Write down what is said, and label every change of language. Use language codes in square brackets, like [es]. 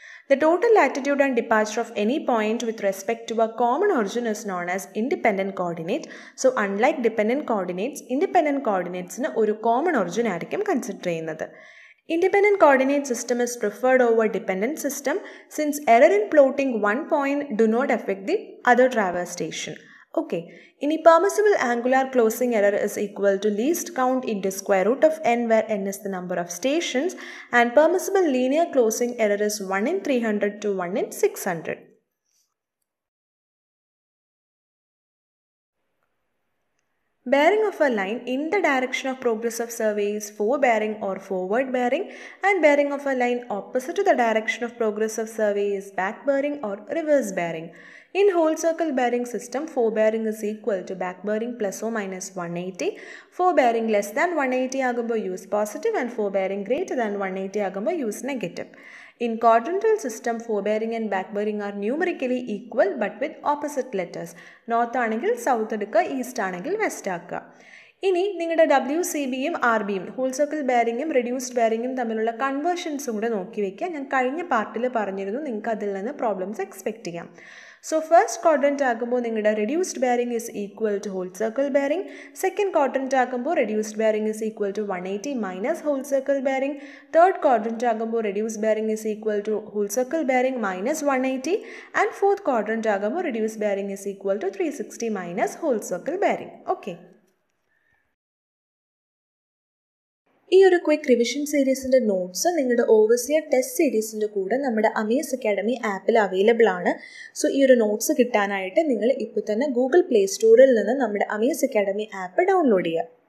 [en] The total latitude and departure of any point with respect to a common origin is known as independent coordinate. So unlike dependent coordinates, independent coordinates ne oru common origin aayirikkum consider cheynathu. Independent coordinate system is preferred over dependent system since error in plotting one point do not affect the other traverse station. Okay, ഇനി permissible angular closing error is equal to least count into square root of N, where N is the number of stations. And permissible linear closing error is 1 in 300 to 1 in 600. Bearing of a line in the direction of progress of survey is forebearing or forward bearing, and bearing of a line opposite to the direction of progress of survey is backbearing or reverse bearing. In whole circle bearing system, forebearing is equal to backbearing plus or minus 180. Forebearing less than 180 [ml] agumbo [en] use positive, and forebearing greater than 180 agumbo use negative. In quadrantal system, forebearing and backbearing are numerically equal but with opposite letters. [ml] North anengil south edukka, east anengil west aakka. ഇനി നിങ്ങളുടെ W C ബിയും R ബിയും, whole circle ബെയറിങ്ങും reduced ബെയറിങ്ങും തമ്മിലുള്ള കൺവേർഷൻസും കൂടെ നോക്കി വയ്ക്കുക. ഞാൻ കഴിഞ്ഞ പാർട്ടിൽ പറഞ്ഞിരുന്നു നിങ്ങൾക്ക് അതിൽ നിന്ന് പ്രോബ്ലംസ് എക്സ്പെക്ട് ചെയ്യാം. [en] So first quadrant [ml] agumbo ningada [en] reduced bearing is equal to whole circle bearing. Second quadrant [ml] agumbo [en] reduced bearing is equal to 180 minus whole circle bearing. Third quadrant [ml] agumbo [en] reduced bearing is equal to whole circle bearing minus 180. And fourth quadrant [ml] agumbo [en] reduced bearing is equal to 360 minus whole circle bearing. Okay. [ml] ഈ ഒരു quick revision സീരീസിൻ്റെ notes നിങ്ങളുടെ overseer test സീരീസിൻ്റെ കൂടെ നമ്മുടെ Amaze academy ആപ്പിൽ available ആണ്. So ഈ ഒരു notes കിട്ടാനായിട്ട് നിങ്ങൾ ഇപ്പോൾ തന്നെ ഗൂഗിൾ പ്ലേ സ്റ്റോറിൽ നിന്ന് നമ്മുടെ അമേസ് അക്കാഡമി ആപ്പ് ഡൗൺലോഡ് ചെയ്യുക.